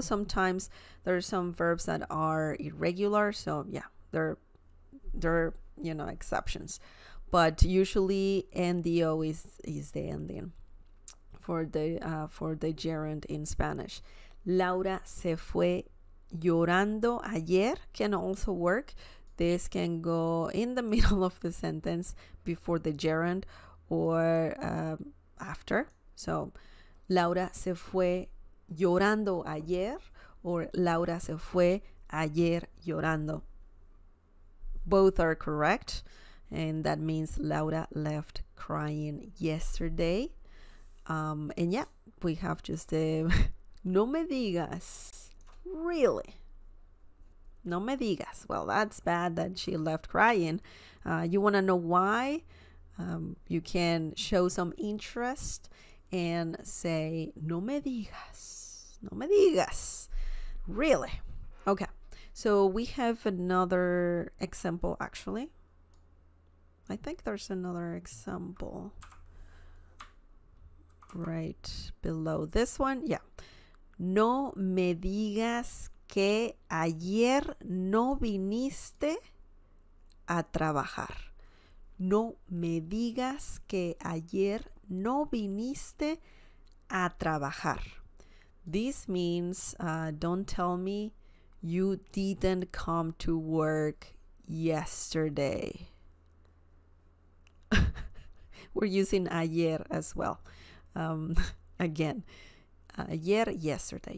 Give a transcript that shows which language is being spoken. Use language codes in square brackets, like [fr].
[en] Sometimes there are some verbs that are irregular. So yeah, they're you know, exceptions. But usually N, the O is the ending for the gerund in Spanish. [es] Laura se fue llorando ayer [en] can also work. This can go in the middle of the sentence before the gerund or after. So... [es] Laura se fue llorando ayer, or Laura se fue ayer llorando. [en] Both are correct, and that means Laura left crying yesterday. And yeah, we have just a [es] no me digas, [en] really. [es] No me digas. [en] Well, that's bad that she left crying. You want to know why? You can show some interest and say, [es] no me digas, no me digas, [en] really. Okay, so we have another example, actually. I think there's another example. Right below this one, yeah. [es] No me digas que ayer no viniste a trabajar. No me digas que ayer no viniste a trabajar. [en] This means, don't tell me you didn't come to work yesterday. We're using ayer as well. Again, ayer, yesterday.